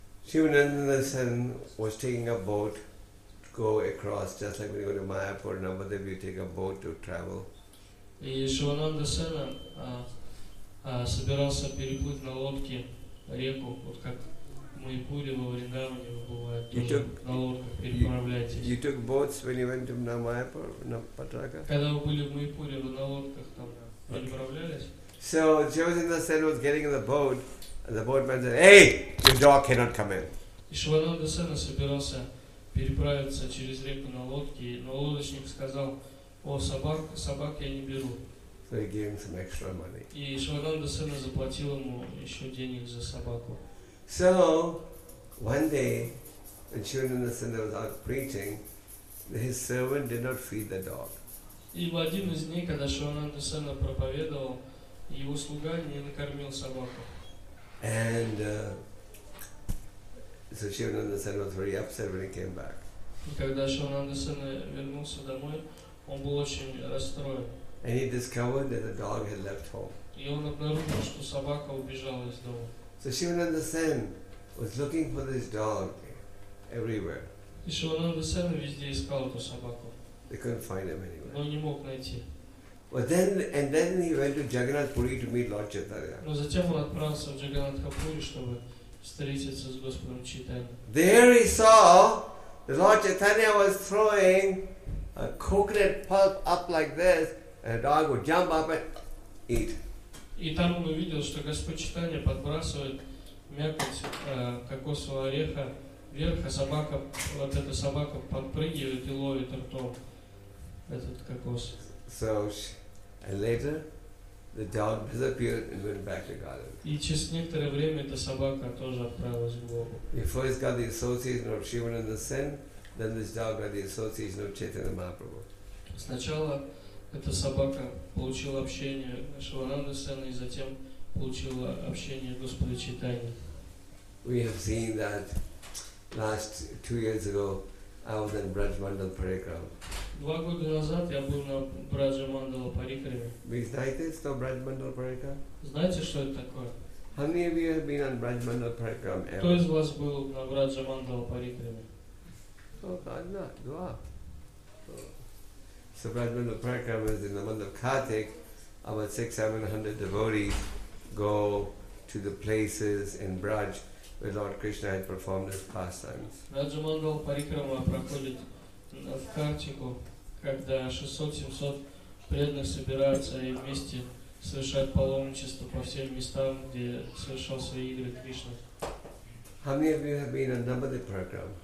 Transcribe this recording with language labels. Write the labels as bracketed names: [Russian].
[English] Шивананда Сен was taking a boat to go across, just like when you go to Mayapur, Navadvip, you take a boat to travel. [Russian] И Шивананда Сена собирался переплыть на лодке реку, вот как Майпури во Вриндаване бывает, тоже на лодках переправляйтесь. [English] You took boats when you went to Mayapur, Patraka? [Russian] Когда вы были в Майпури, вы на лодках там переправлялись? [English] So, Shivananda Sen was getting in the boat, and the boatman said, "Hey, your dog cannot come in." [Russian] И Шивананда Сен собирался переправиться через реку на лодке, но лодочник сказал, "О, собак я не беру." [English] So he gave him some extra money. [Russian] И Шивананда Сен заплатил ему еще денег за собаку. [English] So, one day, when Shivananda Sen was out preaching, his servant did not feed the dog. [Russian] И в один из дней, когда Шивананда Сен проповедовал, его слуга не накормил собаку. [English] And so Shivananda Sen was very upset when he came back. [Russian] И когда Шивананда Сен вернулся домой, он был очень расстроен. [English] And he discovered that the dog had left home. [Russian] И он обнаружил, что собака убежала из дома. [English] So Shivananda Sen was looking for this dog everywhere. [Russian] И Шивананда Сен везде искал эту собаку. [English] They couldn't find him anywhere. [Russian] Но не мог найти. [English] But then he went to Jagannath Puri to meet Lord Chaitanya. [Russian] Но затем он отправился в Джаганатхапури, чтобы встретиться с Господом Чайтаньей. [English] There he saw that Lord Chaitanya was throwing a coconut pulp up like this. And a dog would jump up and eat. [Russian] И там он увидел, что Господь Чайтанья подбрасывает мякоть кокосового ореха вверх, а собака, вот эта собака подпрыгивает и ловит ртом этот кокос. [English] So, and later, the dog disappeared and went back to Godhead. [Russian] И через некоторое время эта собака тоже отправилась к Богу. [English] He first got the association of Shivananda Sen, then this dog got the association of Chaitanya Mahaprabhu. [Russian] Сначала эта собака получила общение Шивананды Сена и затем получила общение Господа Чайтаньи. [English] We have seen that last 2 years ago I was in Braj Mandal Parikram. [Russian] 2 года назад я был на Браджа Мандала Парикраме. Вы знаете, что Браджа Мандала Парикрам? Знаете, что это такое? [English] How many of you have been on Браджа Мандала Парикрам ever? [Russian] Кто из вас был на Браджа Мандала Парикраме? Только одна, два. [English] So Braj Mandal Parikram is in the month of Kartik, about 600-700 devotees go to the places in Braj where Lord Krishna had performed his pastimes. [Russian] Braj Mandal Parikrama проходит в Картику, когда 600-700 преданных собираются и вместе совершают паломничество по всем местам, где совершал свои игры Кришна. [English] How many of you have been on Navadvip program?